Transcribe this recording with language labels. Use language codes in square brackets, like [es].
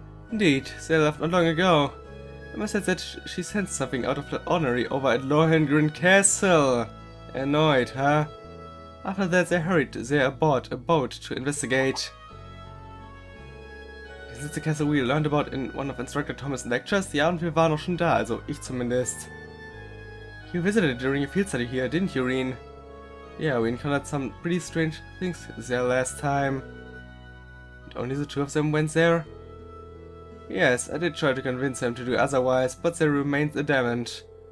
[en] Indeed, they left not long ago. Emma said that she sensed something out of the ordinary over at Lohengrin Castle. Annoyed, huh? After that, they hurried there aboard a boat to investigate. Is it the castle we learned about in one of Instructor Thomas' lectures? [de] Ja, und wir waren auch schon da, also ich zumindest. [en] You visited during your field study here, didn't you, Reen? Yeah, we encountered some pretty strange things there last time. And only the two of them went there? Yes, I did try to convince them to do otherwise, but they remained adamant.